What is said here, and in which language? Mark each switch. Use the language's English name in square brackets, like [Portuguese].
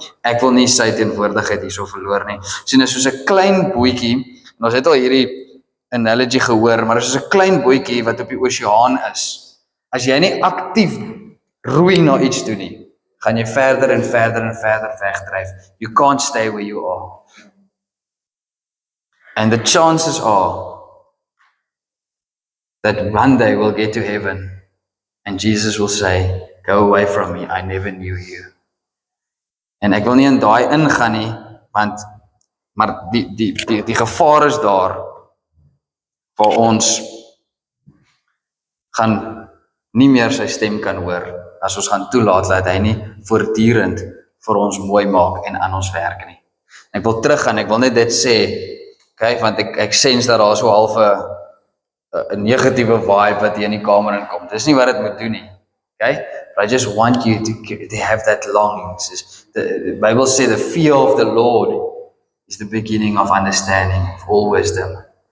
[Afrikaans] Ek wil nie sy teenwoordigheid hierso verloor nie. Sien, is soos 'n klein bootjie. Ons het al hierdie analogy gehoor, maar is soos 'n klein bootjie wat op die oseaan is. As jy nie aktief roei na iets toe nie, gaan jy verder en verder en verder wegdryf. [English] You can't stay where you are. And the chances are that one day we'll get to heaven and Jesus will say, go away from me, I never knew you. [Afrikaans] En ek wil nie in daai ingaan nie, want maar die gevaar is daar waar ons gaan nie meer sy stem kan hoor as ons gaan toelaat dat hy nie voortdurend vir ons mooi maak en aan ons werk nie. Ek wil terug gaan, ek wil net dit sê, okay, want ek sens dat daar so half 'n negatiewe vibe wat hier in die kamer inkom. Dis nie wat dit moet doen nie. [English] Okay? But I just want you to have that longing. The Bible says the fear of the Lord is the beginning of understanding, of all wisdom.